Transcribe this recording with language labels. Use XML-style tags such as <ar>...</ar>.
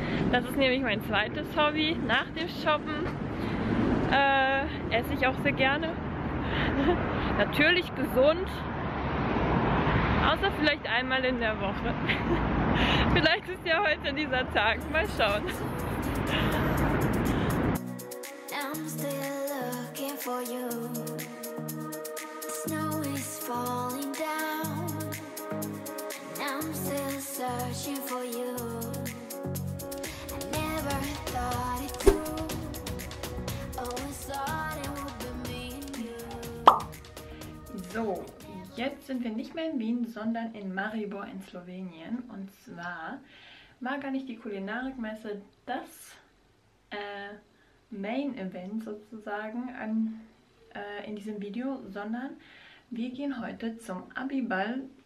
<de>Das ist nämlich mein zweites Hobby. Nach dem Shoppen esse ich auch sehr gerne. Natürlich gesund. Außer vielleicht einmal in der Woche. Vielleicht ist ja heute dieser Tag. Mal schauen.</de> <en>I'm still looking for you. Snow is falling down. I'm still searching for you. I never thought it through. Always thought it would be me and you.</en> <de>So. Jetzt sind wir nicht mehr in Wien, sondern in Maribor in Slowenien. Und zwar war gar nicht die Kulinarikmesse das Main Event sozusagen in diesem Video, sondern wir gehen heute zum Abiball.</de>